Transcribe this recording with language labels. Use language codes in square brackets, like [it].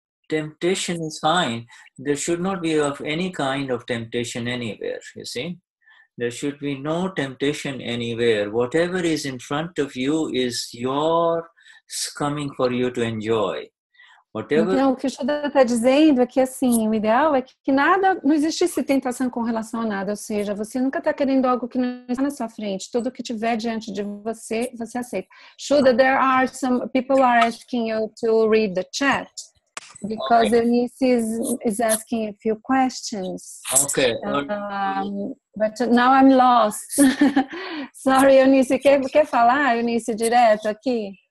[en] Temptation is fine. There should not be of any kind of temptation anywhere, you see. There should be no temptation anywhere. Whatever is in front of you is your coming for you to enjoy. Whatever. [pt] Então, o que o Shuddha está dizendo é que assim, o ideal é que nada, não existisse tentação com relação a nada. Ou seja, você nunca está querendo algo que não está na sua frente. Tudo que tiver diante de você, você aceita. [en] Shuddha, there are some people are asking you to read the chat. Because Eunice is asking a few questions. Okay. But now I'm lost. Sorry, Eunice. [pt] Quer falar, Eunice, direto aqui?